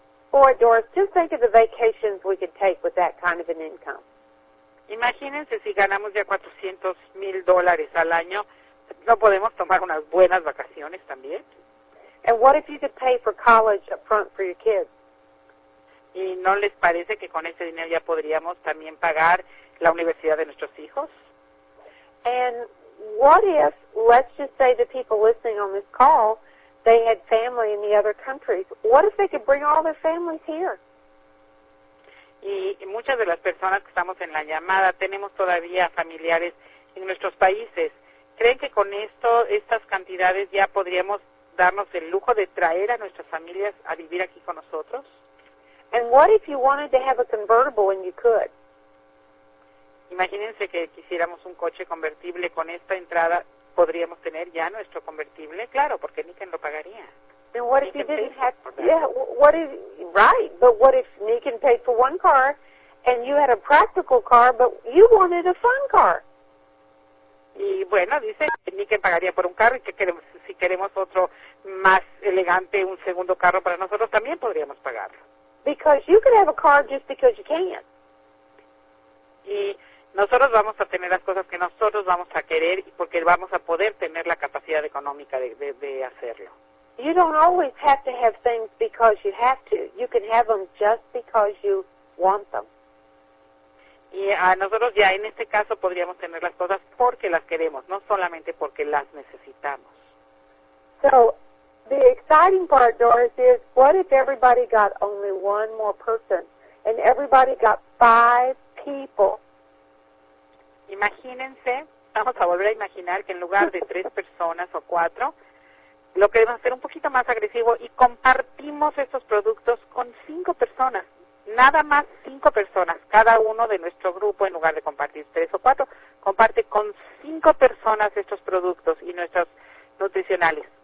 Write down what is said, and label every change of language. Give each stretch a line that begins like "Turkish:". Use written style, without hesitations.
English: Boy, Doris, just think of the vacations we could take with that kind of an income.
Spanish: Imagínense si ganamos ya $400,000 al año, ¿no podemos tomar unas buenas vacaciones también?
English: And what if you could pay for college up front for your kids?
Spanish: ¿Y no les parece que con ese dinero ya podríamos también pagar la universidad de nuestros hijos?
English: And what if, let's just say the people listening on this call, they had family in the other countries. What if they could bring all their families here?
Spanish: Y muchas de las personas que estamos en la llamada tenemos todavía familiares en nuestros países. ¿Creen que con esto, estas cantidades ya podríamos darnos el lujo de traer a nuestras familias a vivir aquí con nosotros?
English: And what if you wanted to have a convertible and you could?
Spanish: Imagínense que quisiéramos un coche convertible. Con esta entrada podríamos tener ya nuestro convertible, claro, porque Niken lo pagaría.
English: And what if you didn't have, but what if Niken paid for one car and you had a practical car but you wanted a fun car?
Spanish: Y bueno, dice que Niken pagaría por un carro y que queremos, si queremos otro más elegante, un segundo carro para nosotros, también podríamos pagarlo.
English: Because you could have a car just because you can.
Spanish: Y nosotros vamos a tener las cosas que nosotros vamos a querer porque vamos a poder tener la capacidad económica de hacerlo.
English: You don't always have to have things because you have to. You can have them just because you want them.
Spanish: Y a nosotros ya en este caso podríamos tener las cosas porque las queremos, no solamente porque las necesitamos.
English: So, the exciting part, Doris, is what if everybody got only one more person and everybody got five people?
Spanish: Imagínense, vamos a volver a imaginar que en lugar de tres personas o cuatro, lo queremos hacer un poquito más agresivo y compartimos estos productos con cinco personas. Nada más cinco personas, cada uno de nuestro grupo, en lugar de compartir tres o cuatro, comparte con cinco personas estos productos y nuestros nutricionales.